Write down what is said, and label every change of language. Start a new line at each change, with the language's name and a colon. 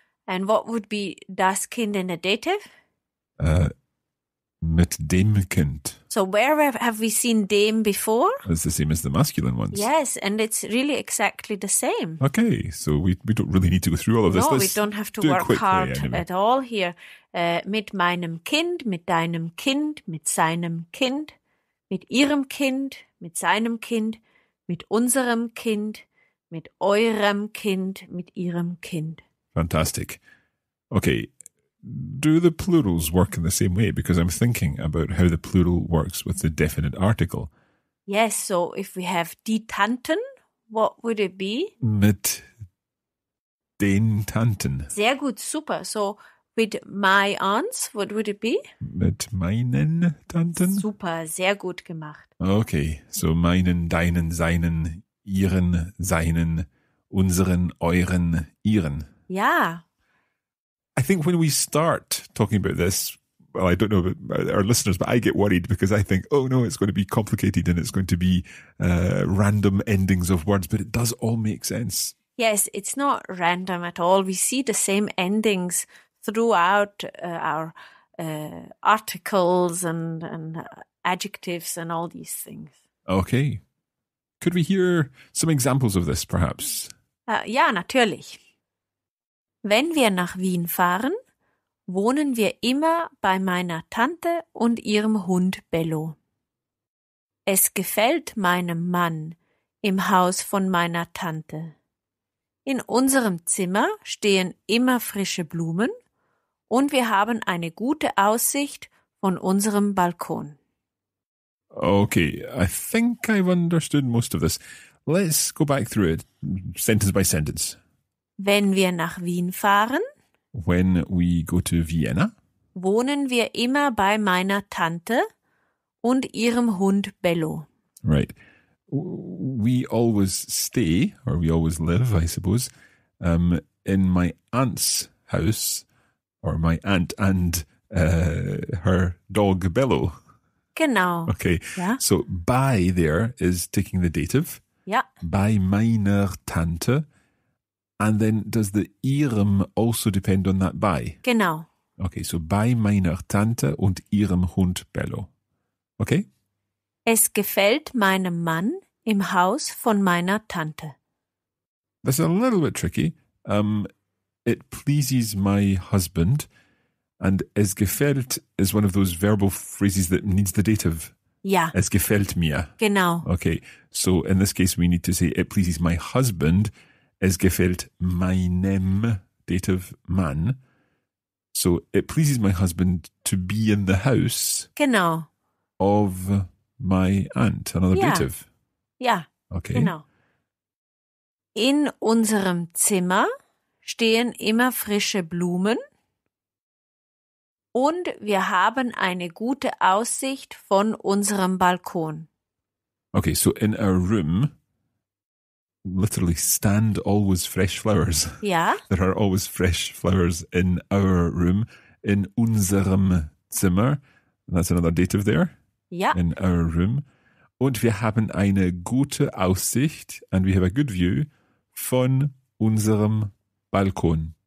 English: And what would be
German: das Kind
English: in the dative?
German: Mit dem Kind.
English: So where have we seen dem before? It's the same as the masculine ones. Yes, and it's really exactly the same. Okay, so we don't really need to go through all of this. No, let's, we don't have to work hard at all here.
German: Mit meinem Kind, mit deinem Kind, mit seinem Kind, mit ihrem Kind, mit seinem Kind, mit unserem Kind, mit eurem Kind, mit ihrem Kind.
English: Fantastic. Okay. Do the plurals work in the same way? Because I'm thinking about how the plural works with the definite article. Yes, so if we have
German: die Tanten,
English: what would it be?
German: Mit den Tanten. Sehr gut, super.
English: So with my aunts, what would it be?
German: Mit meinen Tanten. Super, sehr gut gemacht. Okay, so meinen, deinen, seinen, ihren, seinen, unseren, euren, ihren. Ja.
English: I think when we start talking about this, well, I don't know about our listeners, but I get worried because I think, oh no, it's going to be complicated and it's going to be random endings of words, but it does all make sense. Yes, it's not random at all. We see the same endings throughout our articles and adjectives and all these things. Okay. Could we hear some examples of this, perhaps?
German: Ja, natürlich. Wenn wir nach Wien fahren, wohnen wir immer bei meiner Tante und ihrem Hund Bello. Es gefällt meinem Mann im Haus von meiner Tante. In unserem Zimmer stehen immer frische Blumen und wir haben eine gute Aussicht von unserem Balkon.
English: Okay, I think I've understood most of this. Let's go back through it, sentence by sentence.
German: Wenn wir nach Wien fahren,
English: when we go to Vienna,
German: wohnen wir immer bei meiner Tante und ihrem Hund Bello.
English: Right. We always stay, or we always live, I suppose, in my aunt's house, or my aunt and her dog Bello.
German: Genau.
English: Okay. Yeah. So by there is taking the dative. Yeah.
German: By meiner Tante.
English: And then does the ihrem also depend on that by?
German: Genau. Okay, so bei meiner Tante und ihrem Hund Bello.
English: Okay?
German: Es gefällt meinem Mann im Haus von meiner Tante.
English: That's a little bit tricky. It pleases my husband. And es gefällt is one of those verbal phrases that needs the dative. Yeah.
German: Es gefällt mir. Genau.
English: Okay, so in this case we need to say it pleases my husband.
German: Es gefällt meinem
English: dative
German: Mann.
English: So, it pleases my husband to be in the house.
German: Genau.
English: Of my aunt. Another yeah. dative. Yeah. Okay.
German: Genau. In unserem Zimmer stehen immer frische Blumen. Und wir haben eine gute Aussicht von unserem Balkon.
English: Okay, so in our room, literally stand always fresh flowers. Yeah. There are always fresh flowers in our room.
German: In unserem Zimmer.
English: That's another dative there. Yeah. In our room.
German: Und wir haben eine gute Aussicht
English: and we have a good view
German: von unserem Balkon.